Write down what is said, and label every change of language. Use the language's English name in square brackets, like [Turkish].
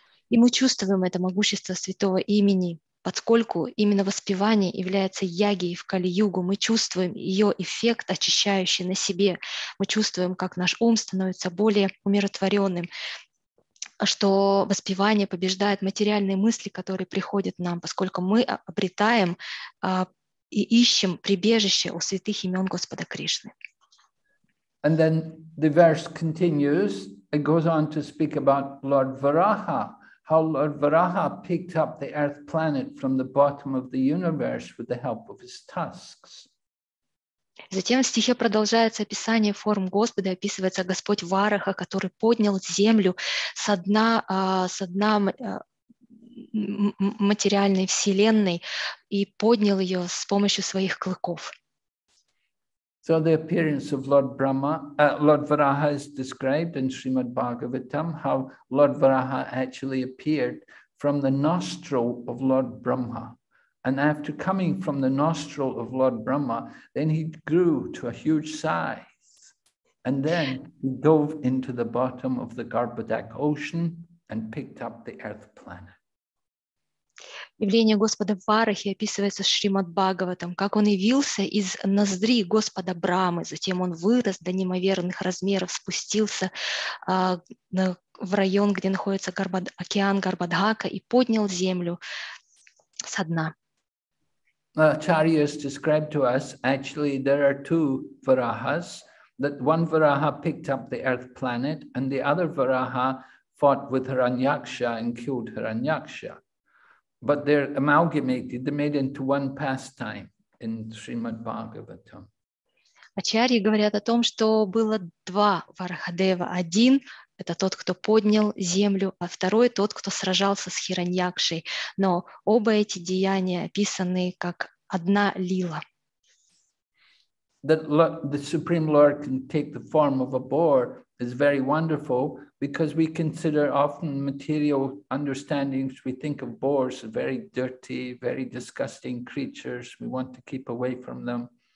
[Russian] И мы чувствуем это могущество святого имени, поскольку именно воспевание является ягией в Кали-югу, мы чувствуем ее эффект, очищающий на себе. Мы чувствуем, как наш ум становится более умиротворенным, что воспевание побеждает материальные мысли, которые приходят нам, поскольку мы обретаем и ищем прибежище у святых имен Господа Кришны. [English] And then the verse continues, it goes on to speak about Lord Varaha. How Lord Varaha picked up the earth planet from the bottom of the universe with the help of his tusks. [Russian] Затем в стихе продолжается описание форм Господа, описывается Господь Вараха, который поднял землю со дна материальной вселенной и поднял ее с помощью своих клыков. [English] So the appearance of Lord Brahma, Lord Varaha is described in Srimad Bhagavatam, how Lord Varaha actually appeared from the nostril of Lord Brahma. And after coming from the nostril of Lord Brahma, then he grew to a huge size. And then he dove into the bottom of the Garbhodak ocean and picked up the earth planet. [Russian] Явление Господа Варахи описывается в Шримад Бхагаватам, как он явился из ноздри Господа Брамы, затем он вырос до неимоверных размеров, спустился в район, где находится океан Гарбадхака, и поднял землю со дна. [English] Acharya has described to us, actually, there are two Varahas, that one Varaha picked up the earth planet, and the other Varaha fought with Hiranyaksha and killed Hiranyaksha. But they're amalgamated, they're made into one pastime in Srimad Bhagavatam. [Russian] Ачарьи говорят о том, что было два Варахадева. Один — это тот, кто поднял землю, а второй — тот, кто сражался с Хираньякшей. Но оба эти деяния описаны как одна лила. [English] That the Supreme Lord can take the form of a boar is very wonderful, because we consider often material understandings, we think of boars as very dirty, very disgusting creatures, we want to keep away from them.